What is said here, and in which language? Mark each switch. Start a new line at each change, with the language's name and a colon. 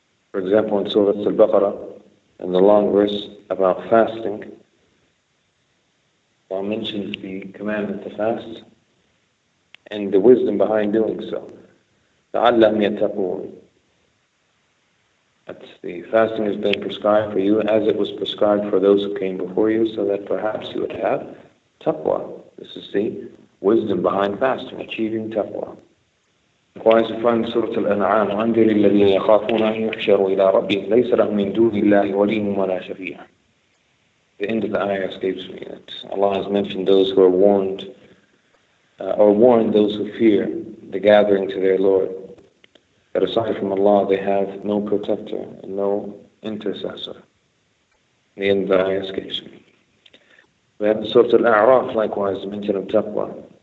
English: For example, in Surah Al-Baqarah, in the long verse about fasting, Allah mentions the commandment to fast and the wisdom behind doing so.
Arabic: لَعَلَّهُمْ يَتَّقُونَ.
English: That the fasting has been prescribed for you as it was prescribed for those who came before you, so that perhaps you would have taqwa. This is the wisdom behind fasting, achieving taqwa. Likewise, we find Surah Al-An'am,
Arabic: وَأَنذِرِ الَّذِينَ يَخَافُونَ أَن يُحْشَرُوا إِلَىٰ رَبِّهِمْ لَيْسَ لَهُم مِّن دُونِ اللَّهِ وَلِيٌّ وَلَا شَفِيعٌ.
English: The end of the ayah escapes me, that Allah has mentioned those who are warned, or warned those who fear the gathering to their Lord, that aside from Allah, they have no protector and no intercessor. The end of the ayah escapes me. We have the Surah Al-A'raf, likewise, the mention of taqwa.